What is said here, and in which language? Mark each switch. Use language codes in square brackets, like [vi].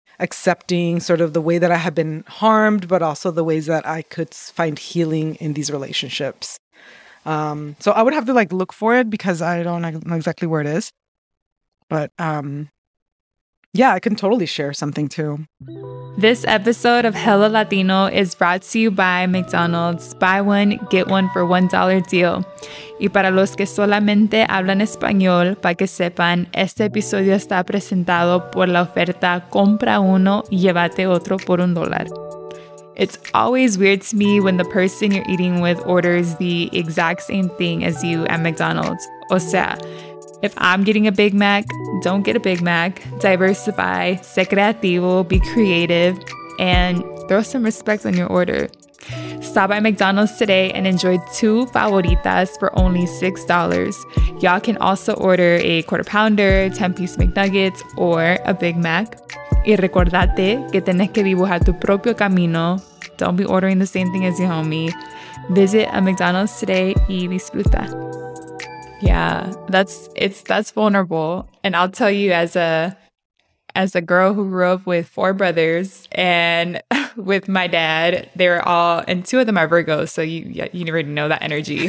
[en] accepting sort of the way that I have been harmed, but also the ways that I could find healing in these relationships. So I would have to like look for it because I don't know exactly where it is. But yeah, I can totally share something too. This episode of Hello Latino is brought to you by McDonald's. Buy one, get one for $1 deal. [es] Y para los que solamente hablan español, para que sepan, este episodio está presentado por la oferta Compra Uno y Llévate Otro por un dólar. [en] It's always weird to me when the person you're eating with orders the exact same thing as you at McDonald's. [es] O sea, [en] if I'm getting a Big Mac, don't get a Big Mac. Diversify, [es] sé creativo, [en] be creative, and throw some respect on your order. Stop by McDonald's today and enjoy two favoritas for only $6. Y'all can also order a quarter pounder, 10-piece McNuggets, or a Big Mac. [es] Y recordate que tienes que dibujar tu propio camino. [en] Don't be ordering the same thing as your homie. Visit a McDonald's today [es] y disfruta. [en] Yeah, that's vulnerable. And I'll tell you, as a girl who grew up with four brothers and with my dad, they're all, and two of them are Virgos, so you already know that energy.